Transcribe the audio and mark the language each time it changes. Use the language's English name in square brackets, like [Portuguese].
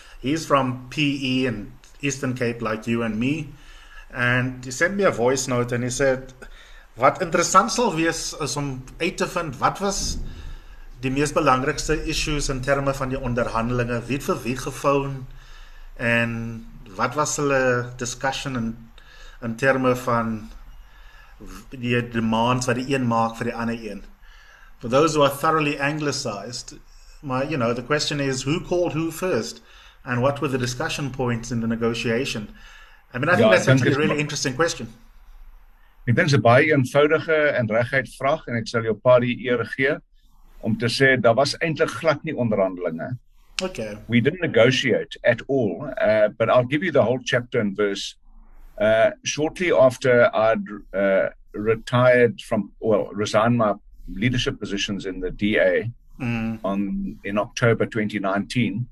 [English] He's from PE and Eastern Cape, like you and me, and he sent me a voice note and he said, [Afrikaans] "Wat interessant sal wees is om uit te vind wat was die mees belangrikste issues in terme van die onderhandelinge, wie het vir wie gefoon en wat was hulle discussion in terme van die demands wat die een maak vir die ander een." [English] For those who are thoroughly anglicized, my, you know, the question is who called who first? And what were the discussion points in the negotiation? I mean, I think that's actually a really interesting question. [Afrikaans] Ek dink dit is baie eenvoudige en reguit vraag, en ek sal jou pa die eer gee om te sê daar was eintlik glad nie onderhandelinge. [English] Okay. We didn't negotiate at all, but I'll give you the whole chapter and verse. Shortly after I'd retired from, well, resigned my leadership positions in the DA in October 2019.